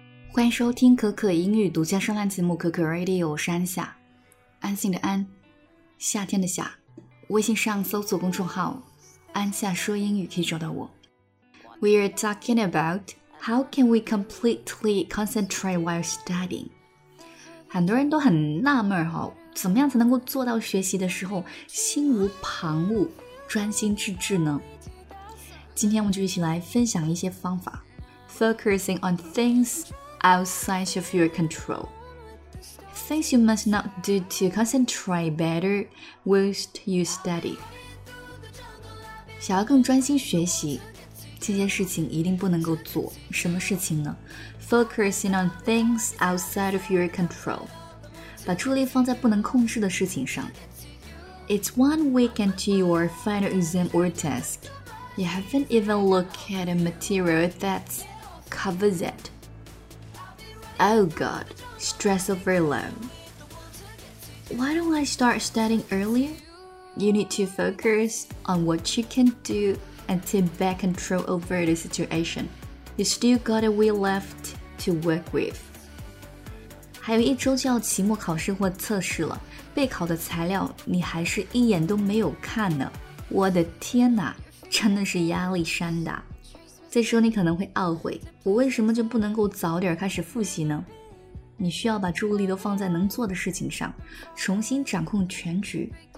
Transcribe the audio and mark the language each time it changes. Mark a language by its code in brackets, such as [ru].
[zh] 欢迎收听可可英语独家声浪节目可可 Radio， 我是安夏，安心的安，夏天的夏。微信上搜索公众号安夏说英语可以找到我。 [en] We are talking about how can we completely concentrate while studying。 [zh] 很多人都很纳闷哈，怎么样才能够做到学习的时候心无旁骛，专心致志呢？今天我们就一起来分享一些方法。 [en] Focusing on things outside of your control. Things you must not do to concentrate better whilst you study. [zh] 想要更专心学习，这些事情一定不能够做。什么事情呢？ [en] Focusing on things outside of your control. [zh] 把注意力放在不能控制的事情上。 [en] It's 1 week into your final exam or test. You haven't even looked at a material that covers it. Oh God, stress overload. Why don't I start studying earlier? You need to focus on what you can do and take back control over the situation. You still got a week left to work with. [zh] 还有一周就要期末考试或测试了，备考的材料你还是一眼都没有看呢。我的天哪，真的是压力山大。这时候你可能会懊悔，我为什么就不能够早点开始复习呢？你需要把注意力都放在能做的事情上，重新掌控全局。